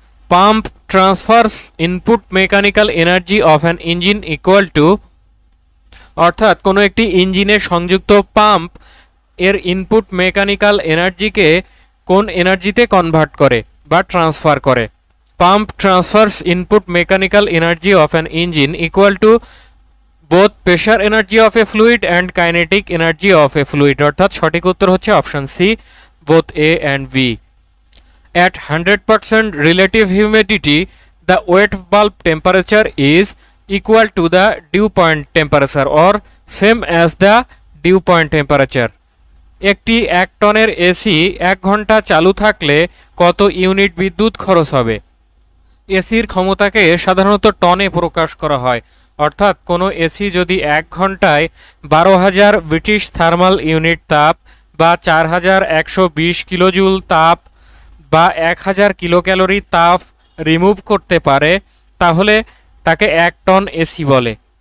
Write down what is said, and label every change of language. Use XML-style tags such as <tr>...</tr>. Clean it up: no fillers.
<en>pump transfers input mechanical energy of an engine equal to,</en> <bn>অর্থাৎ কোনো একটি ইঞ্জিনে সংযুক্ত পাম্প এর ইনপুট মেকানিক্যাল এনার্জিকে কোন এনার্জিতে কনভার্ট করে বা ট্রান্সফার করে।</bn> <en>Pump transfers input mechanical energy of an engine equal to both pressure energy of a fluid and kinetic energy of a fluid.</en> <bn>অর্থাৎ সঠিক উত্তর হচ্ছে option C, both A and B.</bn> <en>At 100% relative humidity, the wet bulb temperature is equal to the dew point temperature or same as the dew point temperature.</en> <bn>একটি 1 টনের AC 1 ঘন্টা চালু থাকলে কত ইউনিট বিদ্যুৎ খরচ হবে? এসির ক্ষমতাকে সাধারণত টনে প্রকাশ করা হয়। অর্থাৎ কোনো এসি যদি 1 ঘন্টায় 12,000 ব্রিটিশ থার্মাল ইউনিট তাপ বা 4,120 কিলোজুল তাপ বা 1000 kcal তাপ রিমুভ করতে পারে তাহলে তাকে 1 টন এসি বলে।</bn>